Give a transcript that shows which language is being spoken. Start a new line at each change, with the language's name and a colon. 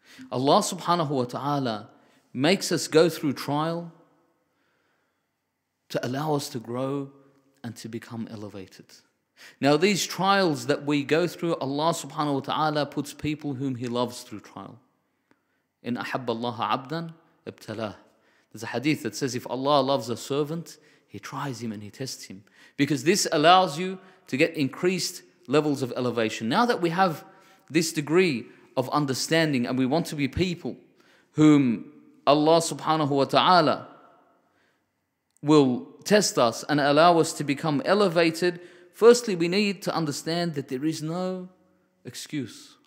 English: Allah subhanahu wa ta'ala makes us go through trial to allow us to grow and to become elevated. Now these trials that we go through, Allah subhanahu wa ta'ala puts people whom He loves through trial.
Arabic: In أَحَبَّ اللَّهَ عَبْدًا ابْتَلَاهُ.
English: There's a hadith that says if Allah loves a servant, He tries him and He tests him. Because this allows you to get increased levels of elevation. Now that we have this degree of understanding and we want to be people whom Allah subhanahu wa ta'ala will test us and allow us to become elevated, firstly, we need to understand that there is no excuse.